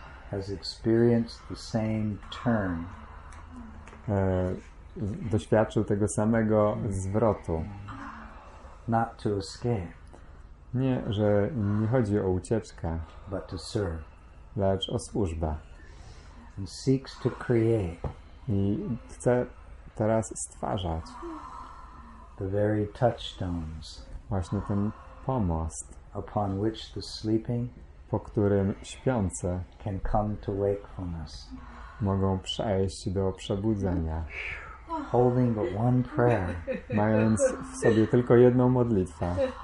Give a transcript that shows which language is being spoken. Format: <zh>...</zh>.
<en>Has experienced the same turn.</en> <pl>Doświadczył tego samego zwrotu.</pl> <en>Not to escape.</en> <pl>Nie, że nie chodzi o ucieczkę.</pl> <en>But to serve.</en> <pl>Lecz o służbę.</pl> <en>And seeks to create.</en> <pl>I chce teraz stwarzać.</pl> <en>The very touchstones.</en> <pl>Właśnie ten pomost.</pl> <en>Upon which the sleeping.</en> <pl>Po którym śpiące.</pl> <en>Can come to wakefulness.</en> <pl>Mogą przejść do przebudzenia.</pl> <en>Holding but one prayer.</en> <pl>Mając w sobie tylko jedną modlitwę.</pl>